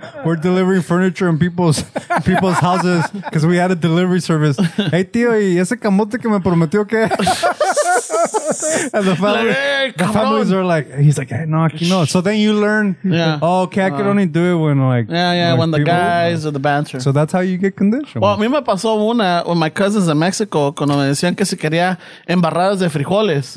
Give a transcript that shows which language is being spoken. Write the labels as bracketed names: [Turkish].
[English] We're delivering furniture in people's houses because we had a delivery service. [Spanish] Hey, tío, y ese camote que me prometió que. [English] And the families are like, he's like, hey, [Spanish] no, aquí no. [English] So then you learn, oh, okay, I could only do it when, like, when the guys or the banter. So that's how you get conditioned. [Spanish] Well, a mí me pasó una [English] with my cousins in Mexico, [Spanish] cuando me decían que se quería embarradas de frijoles.